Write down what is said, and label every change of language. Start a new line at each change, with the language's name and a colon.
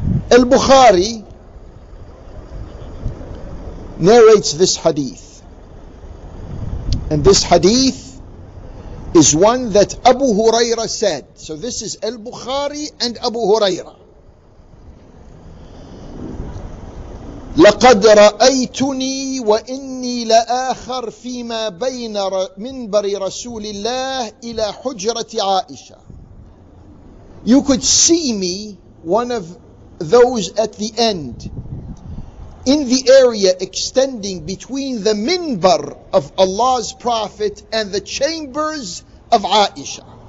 English: Al-Bukhari narrates this hadith, and this hadith is one that Abu Hurairah said. So this is Al-Bukhari and Abu Hurairah.
Arabic: لقد رأيتني وإني لآخر فيما بين منبر رسول الله إلى حجرة عائشة.
English: You could see me, one of those at the end, in the area extending between the minbar of Allah's Prophet and the chambers of Aisha.